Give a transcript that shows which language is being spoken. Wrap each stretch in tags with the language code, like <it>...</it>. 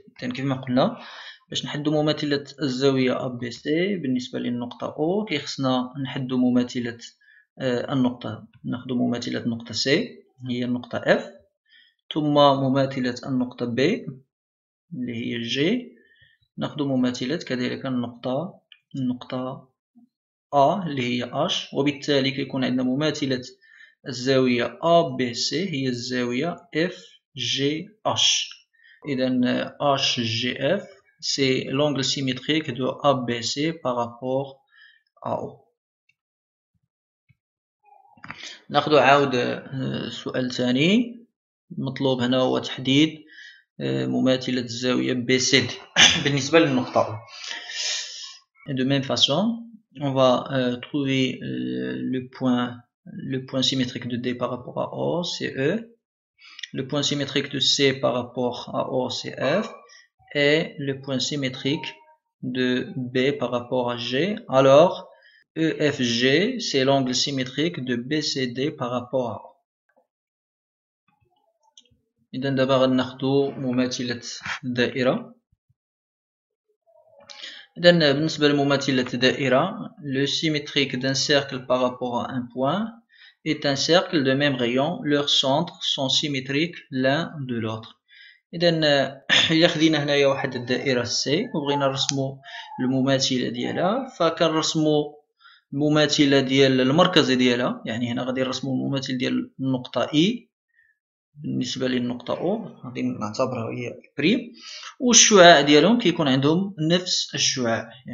<ar>إذن كيفما قلنا باش نحدو مماثلة الزاوية ABC بالنسبة للنقطة O، كيخصنا نحدو مماثلة النقطة، ناخدو مماثلة نقطة C هي النقطة F، ثم مماثلة النقطة B اللي هي G، ناخدو مماثلة كذلك النقطة A اللي هي H، وبالتالي كيكون عندنا مماثلة الزاوية ABC هي الزاوية FGH.</ar> <fr>إذن HGF c'est l'angle symétrique de ABC par rapport à O.</fr> <ar>ناخذ عاود سؤال ثاني، المطلوب هنا هو تحديد مماثلة الزاوية BCD بالنسبة للنقطة O.</ar> <fr>De même façon, on va trouver le point symétrique de D par rapport à O, c'est E. Le point symétrique de C par rapport à O, c'est F. Et le point symétrique de B par rapport à G. Alors, EFG, c'est l'angle symétrique de BCD par rapport à O. Et donc, d'abord, on a la daïra. Et donc, nous avons la daïra. Le symétrique d'un cercle par rapport à un point est un cercle de même rayon. Leurs centres sont symétriques l'un de l'autre.</fr> <ar>إذن إلا خدينا هنايا واحد الدائرة سي وبغينا نرسمو المماثلة ديالها، فكنرسمو المماثلة ديال المركز ديالها، يعني هنا غادي نرسمو المماثل ديال النقطة إي بالنسبة للنقطة أو، غادي نعتبرها هي بريم، والشعاع ديالهم كيكون عندهم نفس الشعاع،</ar>